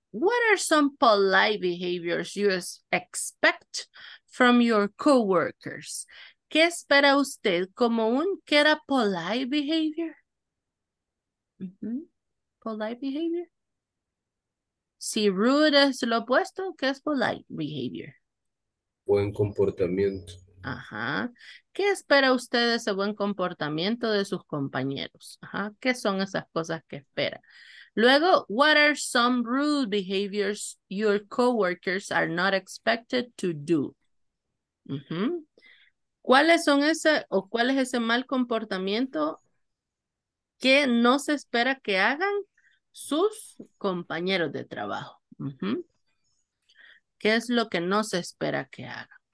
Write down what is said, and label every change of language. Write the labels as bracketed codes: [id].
[en] What are some polite behaviors you expect from your coworkers? [es] ¿Qué espera usted como un que era polite behavior? Mm-hmm. Polite behavior. Si rude es lo opuesto, ¿qué es polite behavior? Buen comportamiento. Ajá. ¿Qué espera usted de ese buen comportamiento de sus compañeros? Ajá. ¿Qué son esas cosas que espera? [en] Luego, what are some rude behaviors your coworkers are not expected to do? Mm-hmm. [es] ¿Cuáles son esas o cuál es ese mal comportamiento que no se espera que hagan sus compañeros de trabajo? ¿Qué es lo que no se espera que hagan?